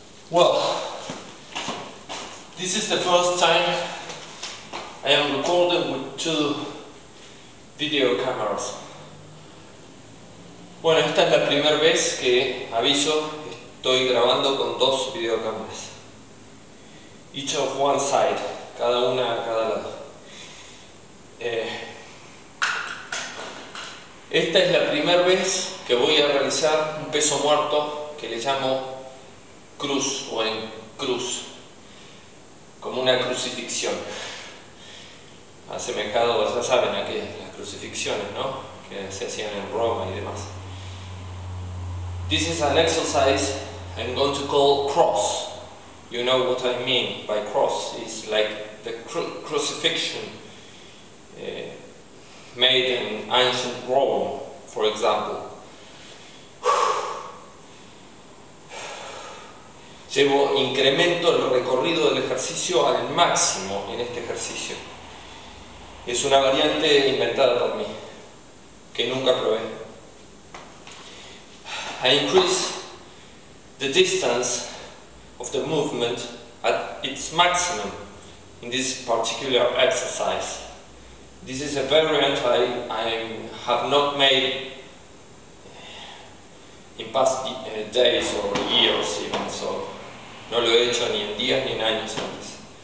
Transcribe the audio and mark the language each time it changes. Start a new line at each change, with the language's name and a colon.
English: Well, this is the first time I am recording with two video cameras.
Spanish: Bueno, esta es la primera vez que aviso, estoy grabando con dos
English: video cameras. Each of one side,
Spanish: cada una a cada lado. Esta es la primera vez que voy a realizar un peso muerto que le llamo cruz o en cruz, como una crucifixión, asemejado, ya saben a qué, las crucifixiones, ¿no? Que se hacían en Roma y demás.
English: This is an exercise I'm going to call cross. You know what I mean by cross? It's like the crucifixion made in ancient Rome, for example.
Spanish: Llevo incremento el recorrido del ejercicio al máximo en este ejercicio. Es una variante inventada por mí, que nunca probé.
English: I increase the distance of the movement at its maximum in this particular exercise. This is a variant I have not made in past days or years even, so
Spanish: no lo he hecho ni en días ni en años antes.